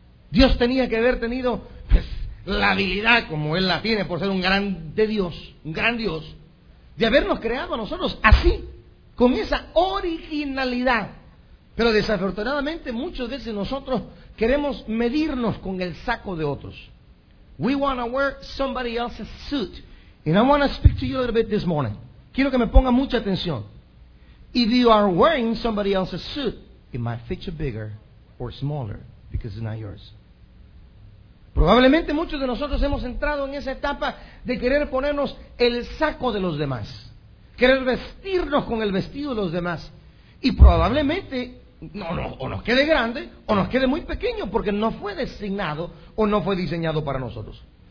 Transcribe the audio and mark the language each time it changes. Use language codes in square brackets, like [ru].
[es] Dios tenía que haber tenido, pues, la habilidad, como Él la tiene, por ser un gran de Dios, un gran Dios, de habernos creado a nosotros así, con esa originalidad. Pero desafortunadamente muchas veces nosotros queremos medirnos con el saco de otros. [en] We want to wear somebody else's suit. And I want to speak to you a little bit this morning. [es] Quiero que me ponga mucha atención. [en] If you are wearing somebody else's suit, it might fit you bigger or smaller because it's not yours. [es] Probablemente muchos de nosotros hemos entrado en esa etapa de querer ponernos el saco de los demás, querer vestirnos con el vestido de los demás, y probablemente o nos quede grande o nos quede muy pequeño porque no fue designado o no fue diseñado para nosotros.